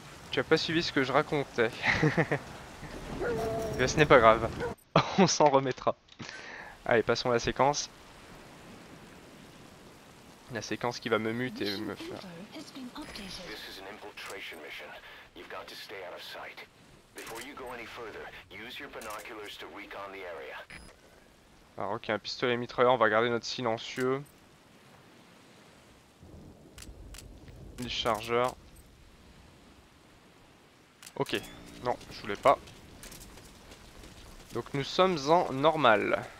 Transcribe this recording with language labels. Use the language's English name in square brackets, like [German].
[French] Tu as pas suivi ce que je racontais. Mais ce n'est pas grave, on s'en remettra. Allez, passons à la séquence. La séquence qui va me muter et me faire. [English] This is an infiltration mission. You've got to stay out of sight. Before you go any further, use your binoculars to recon the area. [French] Alors ok, un pistolet et mitrailleur, on va garder notre silencieux. Les chargeurs. Ok, non, je voulais pas. Donc nous sommes en normal.